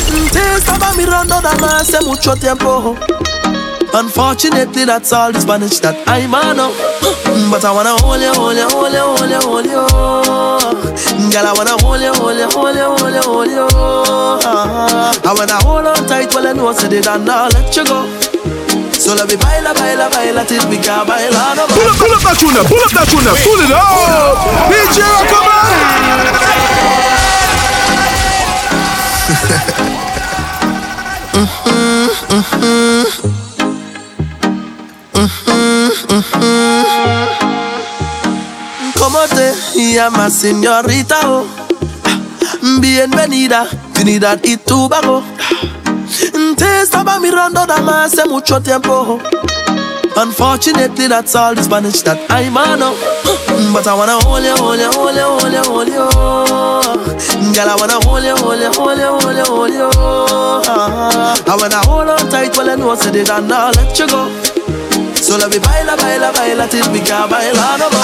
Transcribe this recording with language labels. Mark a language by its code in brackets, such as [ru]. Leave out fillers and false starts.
[es] Te estaba mirando de hace mucho tiempo. [en] Unfortunately, that's all the Spanish that I know. But I wanna hold you, hold you, hold you, hold you, hold you. Girl, I wanna hold you, hold you, hold you, hold you, hold you. I wanna hold on tight, well, I know I said it and I'll let you go. So let me [es] baila, baila, baila [en] till we can baila no more. Pull up that tuna, pull up that tuna, pull it up. DJ, come on. [es] ¿Cómo te llamas, señorita? Bienvenida, Trinidad y Tobago. Te estaba mirando dama hace mucho tiempo. [en] Unfortunately, that's all the Spanish that I know. But I wanna hold you, hold you, hold you, hold you, hold you. Girl, I wanna hold you, hold you, hold you, hold you, hold you. And when I hold on tight, well, I know I said it and I'll let you go. So let me [es] baila, baila, baila [en] till we can baila no more.